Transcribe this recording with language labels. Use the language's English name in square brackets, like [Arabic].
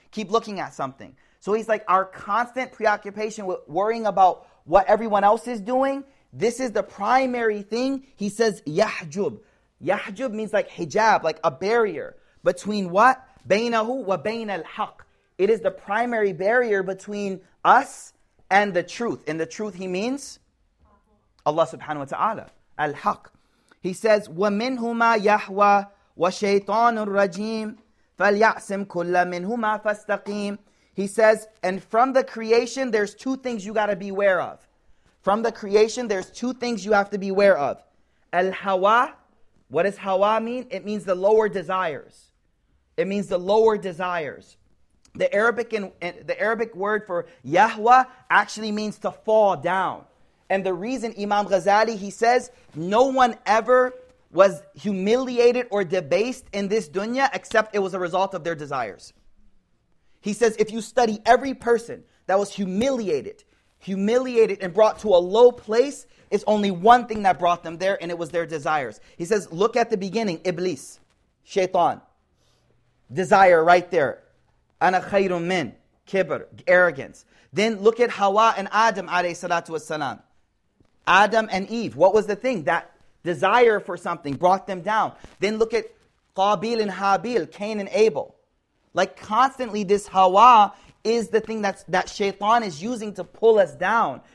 [English] Keep looking at something. So he's like, our constant preoccupation with worrying about what everyone else is doing, this is the primary thing. He says, يَحْجُبْ. يَحْجُبْ means like hijab, like a barrier. [Arabic] Between what? بَيْنَهُ وَبَيْنَ الْحَقِّ. [English] It is the primary barrier between us and the truth. And the truth he means? Allah subhanahu wa ta'ala. Al-Haq. He says, [Arabic] وَمِنْهُمَا يَحْوَى وَشَيْطَانُ الرَّجِيمُ فَلْيَعْسِمْ كُلَّ مِنْهُمَا فَاسْتَقِيمُ. [English] He says, and from the creation, there's two things you got to beware of. From the creation, there's two things you have to beware of. Al-Hawa. What does Hawa mean? It means the lower desires. It means the lower desires. The Arabic word for Yahwa actually means to fall down. And the reason Imam Ghazali, he says, no one ever was humiliated or debased in this dunya except it was a result of their desires. He says, if you study every person that was humiliated and brought to a low place, it's only one thing that brought them there and it was their desires. He says, look at the beginning, Iblis, Shaitan, desire right there. [Arabic] أَنَا خَيْرٌ مِّنْ كِبْر, arrogance. [English] Then look at Hawa and Adam, [Arabic] عليه الصلاة والسلام. [English] Adam and Eve, what was the thing? That desire for something brought them down. Then look at Qabil and Habil, Cain and Abel. Like constantly this Hawa is the thing that Shaitan is using to pull us down.